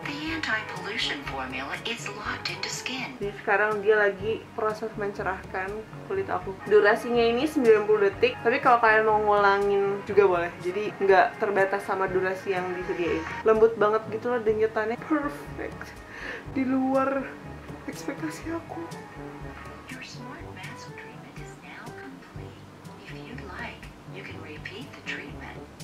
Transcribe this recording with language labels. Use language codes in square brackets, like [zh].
[en] The anti-pollution formula is locked into skin. [id] Jadi sekarang dia lagi proses mencerahkan kulit aku. Durasinya ini 90 detik, tapi kalau kalian mau ngulangin juga boleh. Jadi nggak terbatas sama durasi yang disediain. Lembut banget gitu loh denyutannya. Perfect. Di luar ekspektasi aku. [en] Your smart mask treatment is now complete. If you'd like, you can repeat the treatment.